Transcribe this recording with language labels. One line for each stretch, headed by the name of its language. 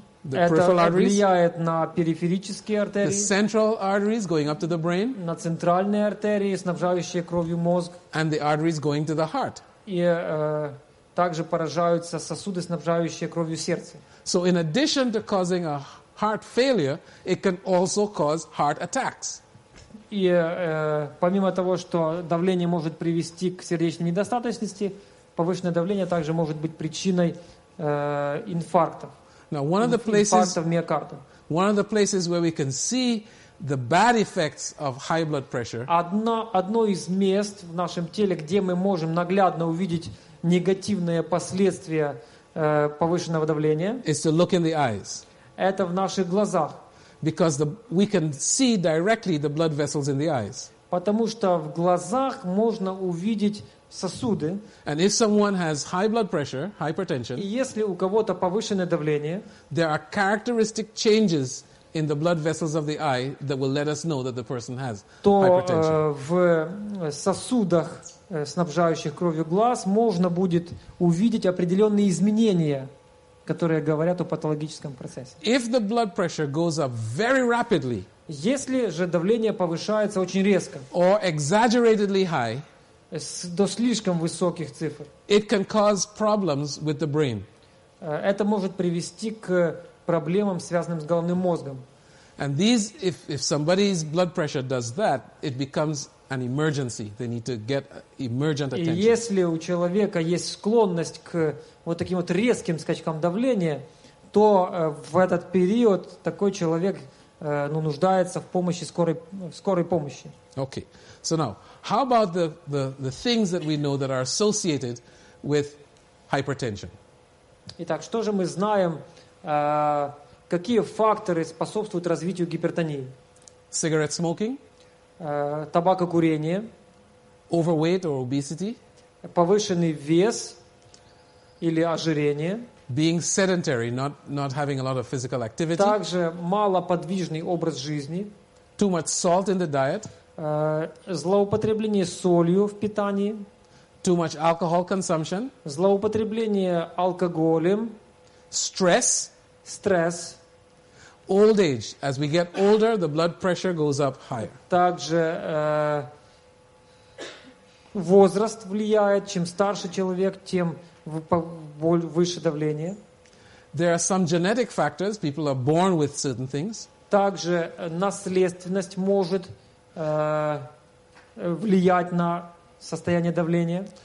Russian: Это влияет на периферические артерии.
English: The central arteries going up to the brain.
Russian: На центральные артерии, снабжающие кровью мозг.
English: And the arteries going to the heart.
Russian: И также поражаются сосуды, снабжающие кровью сердце.
English: So in addition to causing a heart failure, it can also cause heart attacks.
Russian: И помимо того, что давление может привести к сердечной недостаточности, повышенное давление также может быть причиной инфарктов.
English: Now, one of the places,
Russian: инфарктов миокарда.
English: One of the places where we can see the bad effects of high blood pressure.
Russian: Одно из мест в нашем теле, где мы можем наглядно увидеть негативные последствия повышенного давления.
English: Is to look in the eyes.
Russian: Это в наших глазах.
English: Because we can see directly the blood vessels in the eyes.
Russian: Потому что в глазах можно увидеть сосуды.
English: And if someone has high blood pressure, hypertension,
Russian: и если у кого-то повышенное давление,
English: there are characteristic changes in the blood vessels of the eye that will let us know that the person has
Russian: то,
English: hypertension.
Russian: В сосудах, снабжающих кровью глаз, можно будет увидеть определенные изменения, которые говорят о патологическом процессе.
English: If the blood pressure goes up very rapidly,
Russian: если же давление повышается очень резко,
English: or exaggeratedly high,
Russian: до слишком высоких цифр,
English: it can cause problems with the brain.
Russian: Это может привести к проблемам, связанным с головным мозгом.
English: And these, if somebody's blood pressure does that, it becomes an emergency. They need to get emergent attention.
Russian: И если у человека есть склонность к вот таким вот резким скачкам давления, то в этот период такой человек нуждается в помощи скорой помощи.
English: Okay. So now, how about the things that we know that are associated with hypertension?
Russian: Итак, что же мы знаем, какие факторы способствуют развитию гипертонии?
English: Cigarette smoking?
Russian: Табакокурение,
English: overweight or obesity,
Russian: повышенный вес или ожирение,
English: being sedentary, not having a lot of physical activity,
Russian: также малоподвижный образ жизни,
English: too much salt in the diet,
Russian: злоупотребление солью в питании.
English: Too much alcohol consumption.
Russian: Злоупотребление алкоголем.
English: Stress.
Russian: Стресс.
English: Old age. As we get older, the blood pressure goes up higher.
Russian: Также возраст влияет. Чем старше человек, тем выше давление.
English: There are some genetic factors. People are born with certain things.
Russian: Также наследственность может влиять на состояние давления.